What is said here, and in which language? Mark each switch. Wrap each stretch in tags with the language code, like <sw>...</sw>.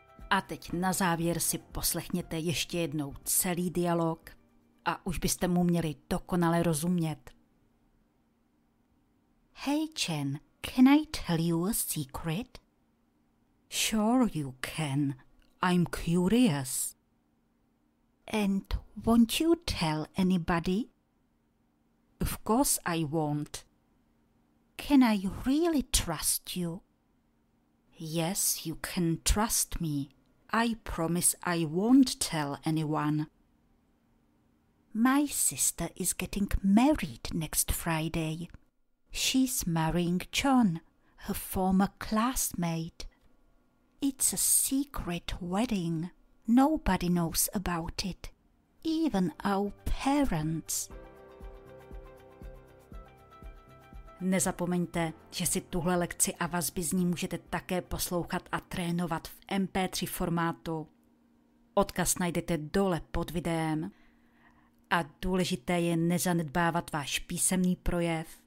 <cs>A teď na závěr si poslechněte ještě jednou celý dialog. A už byste mu měli dokonale rozumět.</cs> <en>Hey Chen, can I tell you a secret? Sure you can. I'm curious. And won't you tell anybody? Of course I won't. Can I really trust you? Yes, you can trust me. I promise I won't tell anyone. My sister is getting married next Friday. She's marrying John, her former classmate. It's a secret wedding. Nobody knows about it, even our parents.</en> <cs>Nezapomeňte, že si tuhle lekci a vazby z ní můžete také poslouchat a trénovat v MP3 formátu. Odkaz najdete dole pod videem. A důležité je nezanedbávat váš písemný projev.</cs>